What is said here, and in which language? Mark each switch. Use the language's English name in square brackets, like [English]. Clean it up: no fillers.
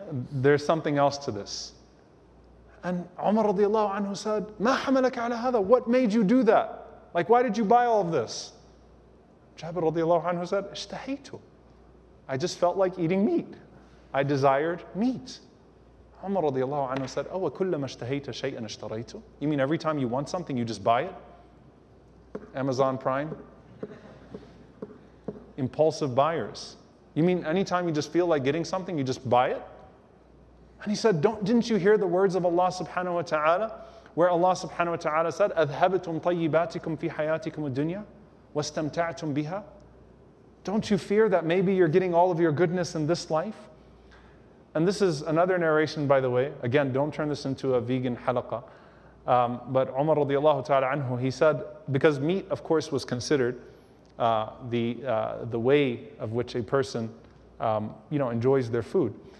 [English] There's something else to this. And Umar radiallahu anhu said, [Arabic] ما حملك على هذا? [English] What made you do that? Like, why did you buy all of this? Jabir radiallahu anhu said, [Arabic] اشتهيتو. [English] I just felt like eating meat. I desired meat. Umar radiallahu anhu said, [Arabic] أو كلما اشتهيت شيئا اشتريتو? [English] You mean every time you want something, you just buy it? Amazon Prime? Impulsive buyers. You mean anytime you just feel like getting something, you just buy it? And he said, didn't you hear the words of Allah subhanahu wa ta'ala? Where Allah subhanahu wa ta'ala said, [Arabic] أَذْهَبْتُمْ طَيِّبَاتِكُمْ فِي حَيَاتِكُمْ الدُّنْيَا وَاسْتَمْتَعْتُمْ بِهَا. [English] Don't you fear that maybe you're getting all of your goodness in this life? And this is another narration, by the way. Again, don't turn this into a vegan halaqa. But Umar radiallahu ta'ala anhu, he said, because meat, of course, was considered the way of which a person enjoys their food.